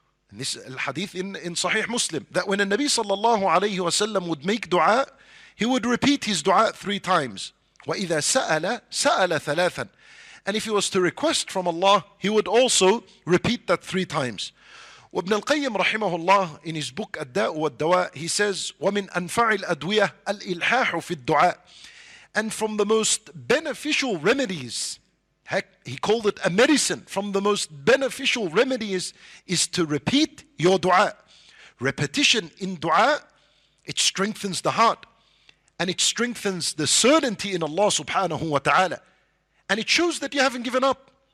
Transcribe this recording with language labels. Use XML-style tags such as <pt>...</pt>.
<en>And this hadith in Sahih Muslim, that when a Nabi sallallahu alayhi wa sallam would make dua, he would repeat his dua three times.</en> <ar>وَإِذَا سَأَلَ سَأَلَ ثلاثا.</ar> <en>And if he was to request from Allah, he would also repeat that three times.</en> <ar>وابن القيم رحمه الله</ar> <en>in his book</en> <ar>الداء والدواء</ar> <en>he says</en> <ar>ومن أنفع الأدوية الإلحاح في الدعاء.</ar> <en>And from the most beneficial remedies, he called it a medicine, from the most beneficial remedies is to repeat your dua. Repetition in dua, it strengthens the heart and it strengthens the certainty in Allah subhanahu wa ta'ala, and it shows that you haven't given up.</en>